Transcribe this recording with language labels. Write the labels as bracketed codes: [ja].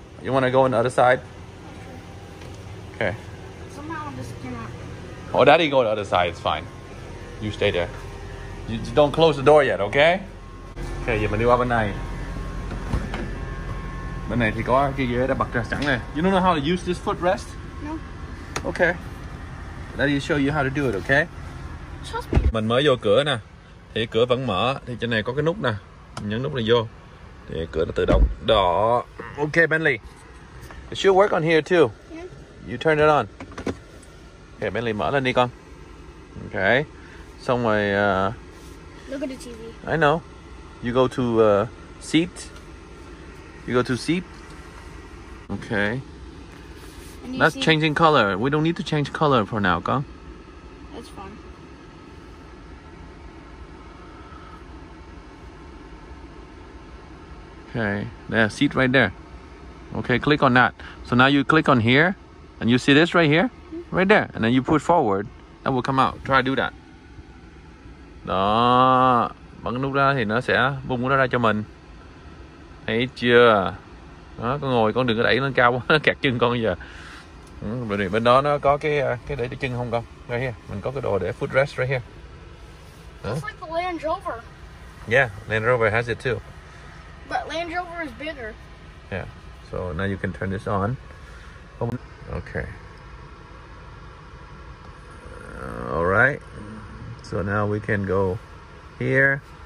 [en] You want to go on the other side? Okay. Somehow I just cannot. Oh, daddy, go on the other side. It's fine. You stay there. You don't close the door yet, okay? [vi] Okay, giờ mình đi qua bên này. Bên này thì có cái ghế đã bật ra sẵn này. [en] You don't know how to use this footrest? No. Okay. Daddy will show you how to do it, okay? Trust me. [vi] Mình mới vô cửa nè. Thì cửa vẫn mở. Thì trên này có cái nút nè. Mình nhấn nút này vô. Thì cửa nó tự động. Đó. Okay, Bentley. [en] It should work on here too. Yeah. You turn it on. [vi] Okay, Bentley, mở lên đi con. Okay. Xong rồi... [en] Look at the TV. I know. You go to seat. You go to seat. Okay. That's see? Changing color. We don't need to change color for now, con. That's fine. Okay, there, seat right there. Okay, click on that. So now you click on here, and you see this right here? Right there, and then you push forward, that will come out. Try to do that. [vi] Đó, bấm nút ra thì nó sẽ bung nó ra cho mình. Thấy chưa? Đó, con ngồi, con đừng có đẩy lên cao quá, kẹt chân con bây giờ. Bên đó nó có cái để chân không con? [en] Right here, [vi] mình có cái đồ để footrest [en] right here. It's like a Land Rover. Yeah, Land Rover has it too. But Land Rover is bigger. Yeah. So now you can turn this on. Okay. All right. So now we can go here.